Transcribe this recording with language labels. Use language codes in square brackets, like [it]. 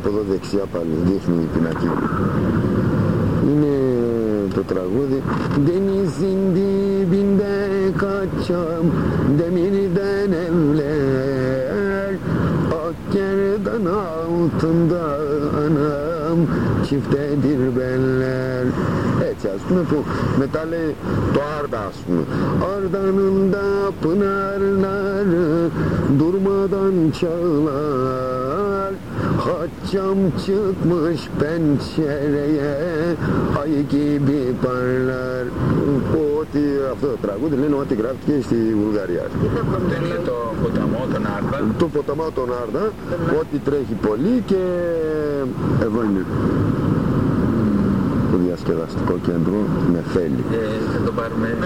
[el] Δεξιά πάλι, δείχνει την αρχή. Είναι το τραγούδι. [tr] Denizin dibinde kaçam, demirden evler. Akkerden altında anam, çiftedir benler. Evet, aslında bu metali to Arda aslında. Ardanında pınarlar durmadan çağlar. Haccam çıkmış pençereye, ay gibi parlar. [el] Ότι αυτό το τραγούδι λένε ότι γράφτηκε στη Βουλγαρία. Αυτό είναι το ποταμό των Άρδα. Το ποταμό των Άρδα, ότι τρέχει πολύ και εδώ είναι. Το διασκεδαστικό κέντρο με θέλει. Θα το πάρουμε.